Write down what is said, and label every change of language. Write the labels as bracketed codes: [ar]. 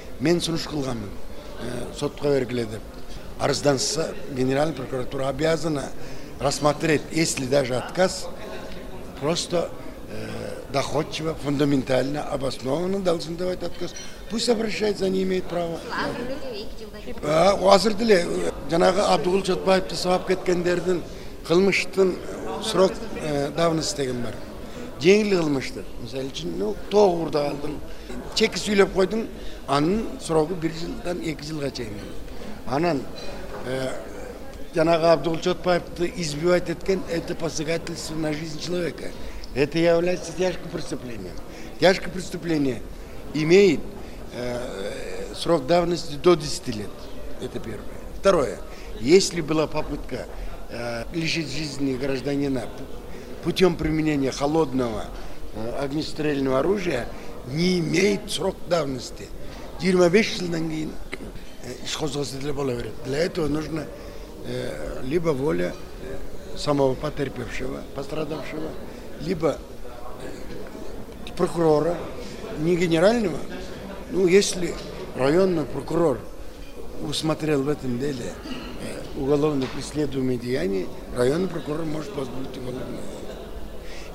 [ky] Мен сунуш кылганмын, сотко бергиле деп. Арызданса, [ru] генеральная прокуратура обязана рассмотреть, если даже отказ, просто доходчиво, фундаментально, обоснованно должен давать отказ. Пусть обращается, они имеют право. [ky] Азырдыле, жанагы Абдугул Чотбаевди сабап кеткендердин кылмыштын срок давности деген бар. Жеңил кылмыштыр. Мисалы үчүн, ну, тоогурда алдым. Чеки сүйлөп койдум, анын срогу 1 жылдан 2 жылга чейин. Анан жанагы [ru] Абдугул Чотбаевди избивать эткен, это посягательство на жизнь человека. Это является тяжким преступлением. Тяжкое преступление имеет срок давности до 10 лет. Это первое. Второе. Если была попытка лишить жизни гражданина путем применения холодного огнестрельного оружия, не имеет срок давности. [ky] 25 жылдан кийин иш козгосо деле боло берет. [ru] Для этого нужно либо воля самого потерпевшего, пострадавшего, либо прокурора, не генерального, ну, если районный прокурор усмотрел в этом деле уголовно преследуемые деяния, районный прокурор может возбудить уголовное дело.